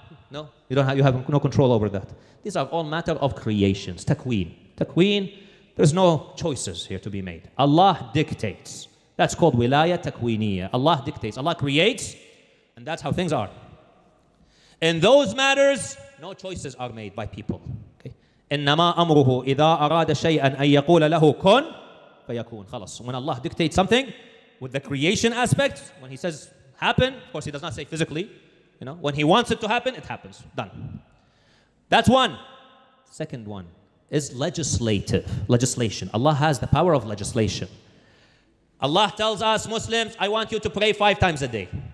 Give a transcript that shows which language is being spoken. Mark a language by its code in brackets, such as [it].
[en] No, you have no control over that. These are all matter of creations, takween. Takween, there's no choices here to be made. Allah dictates. That's called wilaya takweeniyya. Allah dictates. Allah creates, and that's how things are. In those matters, no choices are made by people. Okay. [ar] إِنَّمَا أَمْرُهُ إِذَا أَرَادَ شَيْئًا أَنْ يَقُولَ لَهُ كُنْ فَيَكُونَ خلص. [en] When Allah dictates something, with the creation aspect, when He says happen, of course He does not say physically, you know, when He wants it to happen, it happens. Done. That's one. Second one is legislation. Allah has the power of legislation. Allah tells us, Muslims, I want you to pray 5 times a day.